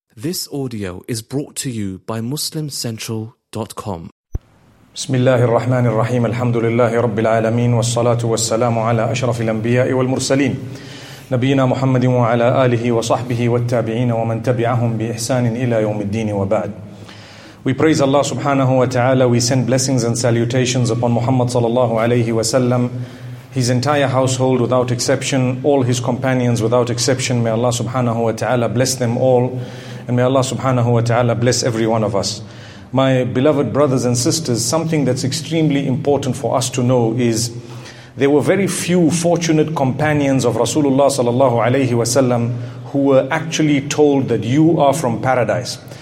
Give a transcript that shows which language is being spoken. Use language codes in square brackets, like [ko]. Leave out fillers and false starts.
[en] This audio is brought to you by MuslimCentral.com. [ar] بسم الله الرحمن الرحيم الحمد لله رب العالمين والصلاة والسلام على أشرف الأنبياء والمرسلين نبينا محمد وعلى آله وصحبه والتابعين ومن تبعهم بإحسان إلى يوم الدين وبعد. [en] We praise Allah subhanahu wa ta'ala. We send blessings and salutations upon Muhammad sallallahu alayhi wa sallam, his entire household without exception, all his companions without exception. May Allah subhanahu wa ta'ala bless them all. And may Allah subhanahu wa ta'ala bless every one of us. My beloved brothers and sisters, something that's extremely important for us to know is there were very few fortunate companions of Rasulullah sallallahu alayhi wa sallam who were actually told that you are from paradise.